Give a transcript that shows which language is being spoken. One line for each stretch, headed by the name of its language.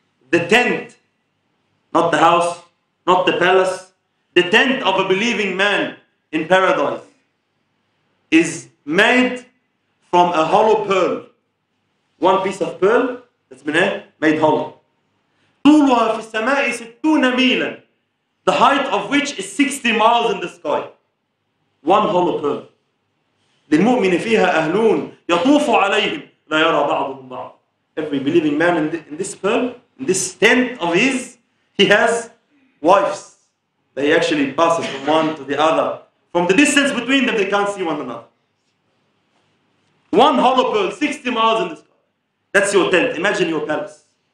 English: The tent, not the house, not the palace, the tent of a believing man in paradise is made from a hollow pearl. One piece of pearl, it's been made hollow.
Arabic: طولها في السماء 60 ميلا.
English: The height of which is 60 miles in the sky. One hollow pearl.
Arabic: للمؤمن فيها أهلون يطوف عليهم لا يرى بعضهم بعض.
English: Every believing man in this pearl, in this tent of his, he has wives. They actually pass from one to the other. From the distance between them, they can't see one another. One hollow pearl, 60 miles in the sky. That's your tent. Imagine your palace.